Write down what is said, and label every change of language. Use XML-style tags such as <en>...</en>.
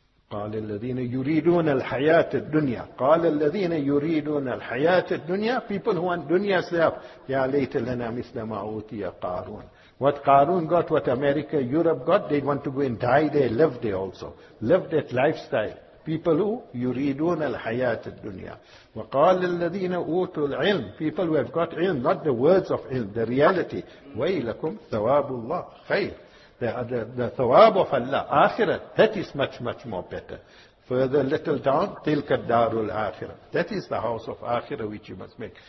<ar>قَالَ الَّذِينَ يُرِيدُونَ الْحَيَاةَ الدُّنْيَا. قَالَ الَّذِينَ يُرِيدُونَ الْحَيَاةَ الدُّنْيَا.</ar> <en>People who want dunya stuff.</en> <ar>يَا لَيْتَ لَنَا مِثْلَ مَا أُوتِيَ قَارُونَ.</ar> <en>What Qarun got, what America, Europe got, they want to go and die there, live there also. Live that lifestyle. People who</en> <ar>يُرِيدُونَ الْحَيَاةَ الدُّنْيَا. وَقَالَ الَّذِينَ أُوتُوا الْعِلْمَ.</ar> <en>People who have got ilm, not the words of ilm, the reality.</en> <ar>وَيْلَكُمْ ثَوَابُ اللَّهِ خَيْرٌ.</ar> <en>The thawab of Allah, akhirah, that is much, much more better. Further little down,</en> <ar>tilka darul akhirah.</ar> <en>That is the house of akhirah which you must make.</en>